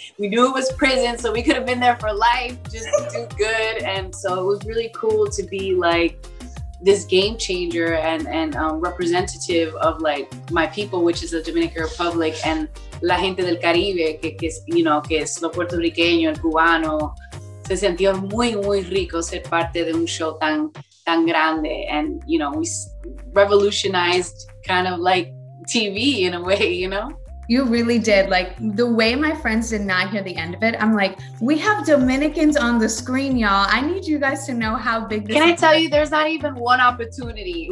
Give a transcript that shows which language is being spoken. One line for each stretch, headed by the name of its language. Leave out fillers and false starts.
English: We knew it was prison, so we could have been there for life, just do good. And so it was really cool to be like this game changer and representative of like my people, which is the Dominican Republic, and
Spanish: la gente del Caribe, que es,
English: you know,
Spanish: que es lo puertorriqueño, el cubano. Se sentió muy, muy rico ser parte de un show tan, tan grande.
English: And, you know, we revolutionized kind of like TV in a way, you know? You really did. Like, the way my friends did not hear the end of it, I'm like, we have Dominicans on the screen, y'all. I need you guys to know how big this is. Can I tell you, there's not even one opportunity.